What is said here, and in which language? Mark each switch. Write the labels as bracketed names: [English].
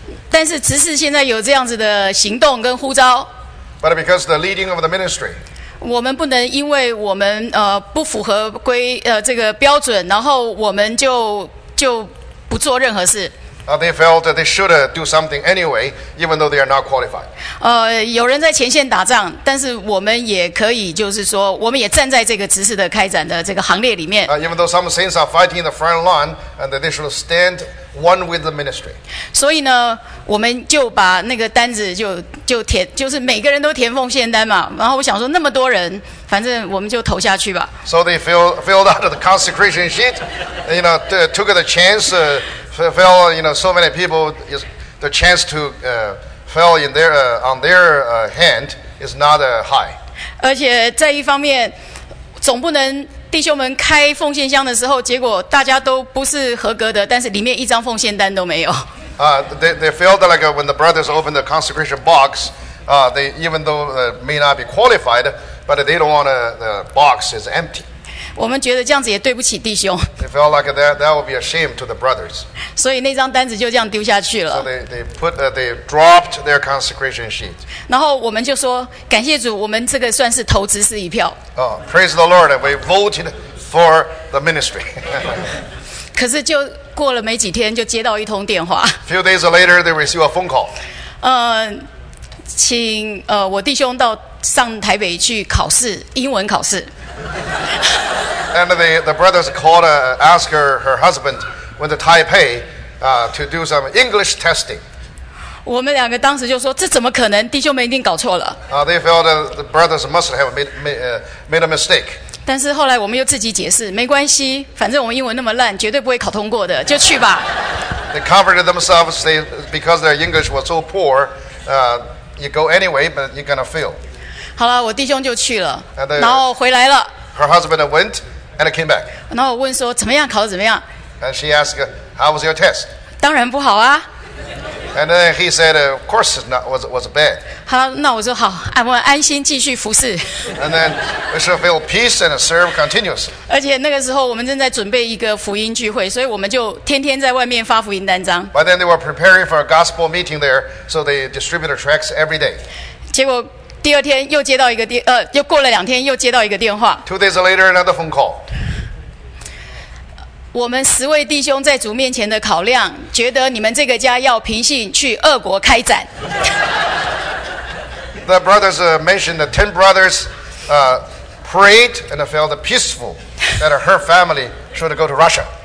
[Chinese] 但是执事现在有这样子的行动跟呼召。 [English] But because the leading of the ministry. [Chinese] 我们不能因为我们不符合规这个标准，然后我们就不做任何事。 [English] They felt that they should do something anyway, even though they are not qualified. [Chinese] 有人在前线打仗，但是我们也可以，就是说，我们也站在这个执事的开展的这个行列里面。 [English] Even though some saints are fighting in the front line, and they should stand one with the ministry. [Chinese] 所以呢，我们就把那个单子就填，就是每个人都填奉献单嘛。然后我想说，那么多人，反正我们就投下去吧。 [English] So they filled out the consecration sheet, you know, took the chance. Fell, you know, so many people is the chance to fell in their on their hand is not high. [Chinese] 而且在一方面，总不能弟兄们开奉献箱的时候，结果大家都不是合格的，但是里面一张奉献单都没有。 [English] They felt like when the brothers opened the consecration box, they even though may not be qualified, but they don't want the box is empty. [Chinese] 我们觉得这样子也对不起弟兄。 [English] They felt like that would be a shame to the brothers. [Chinese] 所以那张单子就这样丢下去了。 [English] So they dropped their consecration sheet. [Chinese] 然后我们就说，感谢主，我们这个算是投执事一票。 [English] Oh, praise the Lord, we voted for the ministry. [Chinese] 可是就过了没几天，就接到一通电话。 [English] Few days later, they received a phone call. [Chinese] 请我弟兄到上台北去考试，英文考试。 [English] And the brothers called asked her husband went to Taipei to do some English testing. [Chinese] 我们两个当时就说，这怎么可能？弟兄们一定搞错了。 [English] They felt the brothers must have made a mistake. [Chinese] 但是后来我们又自己解释，没关系，反正我们英文那么烂，绝对不会考通过的，就去吧。 [English] They comforted themselves because their English was so poor. You go anyway, but you're gonna fail. [Chinese] 好了，我弟兄就去了，然后回来了。 [English] Her husband went and came back. [Chinese] 然后我问说怎么样，考得怎么样？ [English] And she asked, "How was your test?" [Chinese] 当然不好啊。 [English] And then he said, "Of course, it was bad." [Chinese] 好，那我说好，我安心继续服侍。 [English] And then we should feel peace and serve continuously. [Chinese] 而且那个时候我们正在准备一个福音聚会，所以我们就天天在外面发福音单张。 [English] But then they were preparing for a gospel meeting there, so they distributed tracts every day. [Chinese] 结果。第二天又接到一个电，又过了两天又接到一个电话。 [English] Two days later, another phone call. [Chinese] 我们十位弟兄在主面前的考量，觉得你们这个家要平信去俄国开展。 [English] The brothers mentioned that 10 brothers prayed and felt peaceful that her family should go to Russia.